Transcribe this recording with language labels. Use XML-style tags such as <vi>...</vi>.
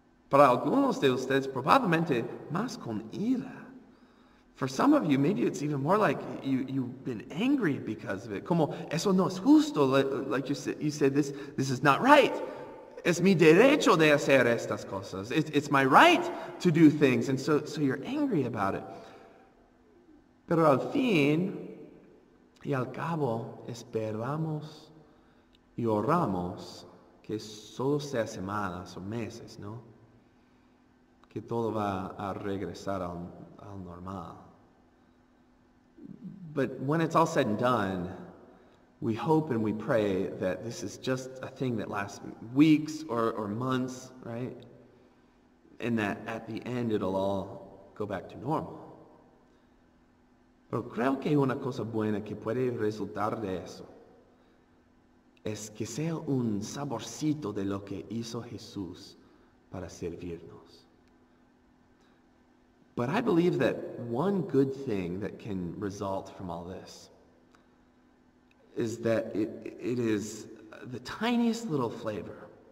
<es>Para algunos de ustedes, probablemente más con ira.</es> <en>For some of you, maybe it's even more like you've been angry because of it.</en> <es>Como, eso no es justo.</es> <en>Like you said, this is not right.</en> <es>Es mi derecho de hacer estas cosas.</es> <en>It's my right to do things. And so you're angry about it.</en> <es>Pero al fin y al cabo, esperamos y oramos que solo sea semanas o meses, ¿no? Que todo va a regresar al normal.</es> <en>But when it's all said and done, we hope and we pray that this is just a thing that lasts weeks or months, right? And that at the end it'll all go back to normal.</en> <es>Pero creo que una cosa buena que puede resultar de eso es que sea un saborcito de lo que hizo Jesús para servirnos.</es> <en>But I believe that one good thing that can result from all this is that it is the tiniest little flavor</en>